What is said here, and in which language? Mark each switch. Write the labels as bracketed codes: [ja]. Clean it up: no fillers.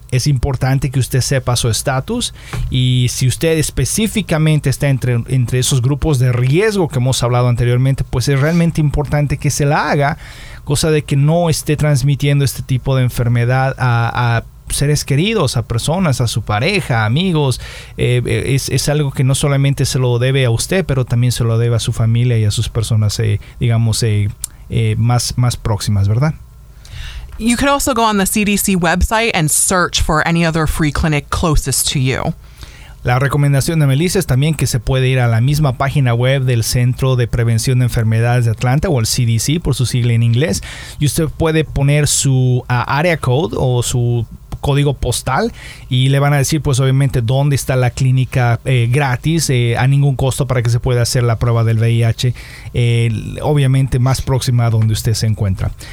[es] Es importante que usted sepa su estatus, y si usted específicamente está entre esos grupos de riesgo que hemos hablado anteriormente, pues es realmente importante que se la haga, cosa de que no esté transmitiendo este tipo de enfermedad a seres queridos, a personas, a su pareja, amigos. Es algo que no solamente se lo debe a usted, pero también se lo debe a su familia y a sus personas, más próximas, ¿verdad? [en] You could also go on the CDC website and search for any other free clinic closest to you. [es] La recomendación de Melissa es también que se puede ir a la misma página web del Centro de Prevención de Enfermedades de Atlanta, o el CDC por su sigla en inglés, y usted puede poner su area code o su código postal, y le van a decir, pues obviamente, dónde está la clínica gratis, a ningún costo, para que se pueda hacer la prueba del VIH, obviamente más próxima a donde usted se encuentra.